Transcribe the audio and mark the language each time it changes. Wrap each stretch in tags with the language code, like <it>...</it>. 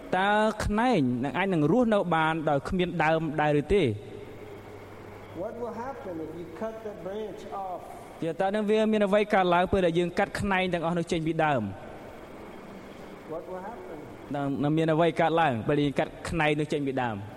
<km>តើខ្នែងនឹងអាចនឹងរស់នៅបានដោយគ្មានដើមដែរឬទេ?</km> <en>What will happen if you cut the branch off?</en> <km>ជាតើនឹងវាមានអ្វីកើតឡើងពេលដែលយើងកាត់ខ្នែងទាំងអស់នោះចេញពីដើម?</km> <en>What will happen?</en> <km>នឹងមានអ្វីកើតឡើងពេលយើងកាត់ខ្នែងនោះចេញពីដើម?</km>